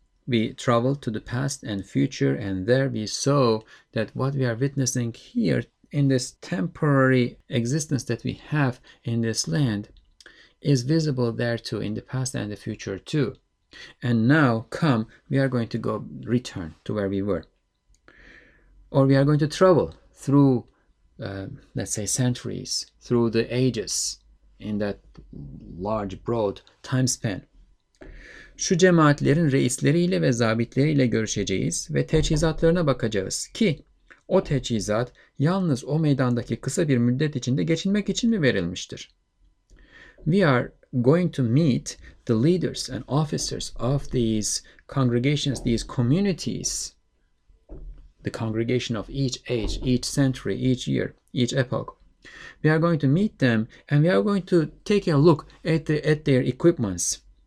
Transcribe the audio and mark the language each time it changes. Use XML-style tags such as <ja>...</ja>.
<en>We traveled to the past and future, and there we saw that what we are witnessing here in this temporary existence that we have in this land is visible there too, in the past and the future too. And now, come, we are going to go return to where we were. Or we are going to travel through, let's say, centuries, through the ages, in that large, broad time span.</en> <tr>Şu cemaatlerin reisleriyle ve zabitleriyle görüşeceğiz ve teçhizatlarına bakacağız ki o teçhizat yalnız o meydandaki kısa bir müddet içinde geçinmek için mi verilmiştir?</tr> <en>We are going to meet the leaders and officers of these congregations, these communities, the congregation of each age, each century, each year, each epoch. We are going to meet them and we are going to take a look at their equipments.</en>